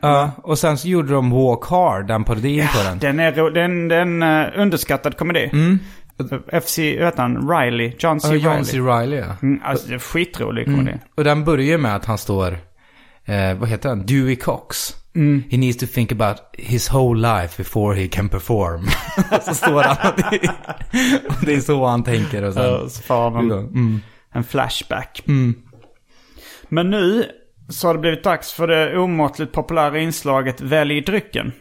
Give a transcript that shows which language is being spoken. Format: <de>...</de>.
<sv>Ja, och sen så gjorde de Walk Hard, den parodin på den. Den är den underskattad komedi. Mm. FC, vet han, Riley, John C. John C. Riley, ja. Alltså, det är skitrolig komedi. Och den börjar med att han står, vad heter han, Dewey Cox. Mm.</sv> <en>He needs to think about his whole life before he can perform.</en> <sv>Så står han och det är så han tänker. Och sen, så får han en flashback. Mm. Men nu så har det blivit dags för det omåtligt populära inslaget Välj drycken.</sv>